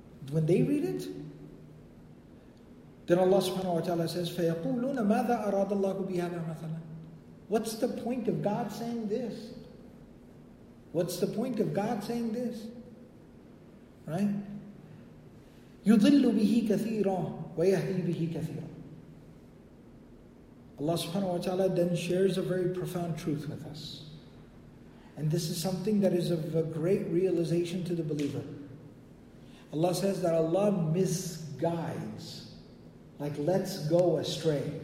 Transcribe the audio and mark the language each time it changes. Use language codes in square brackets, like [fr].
[en] When they read it, then Allah subhanahu wa ta'ala says, [ar] فَيَقُولُونَ مَاذَا أَرَادَ اللَّهُ بِهَذَا مَثَلًا. [en] What's the point of God saying this? What's the point of God saying this? Right? [ar] يُضِلُّ بِهِ كَثِيرًا وَيَهْدِي بِهِ كَثِيرًا. [en] Allah subhanahu wa ta'ala then shares a very profound truth with us. And this is something that is of a great realization to the believer. Allah says that Allah misguides, like lets go astray.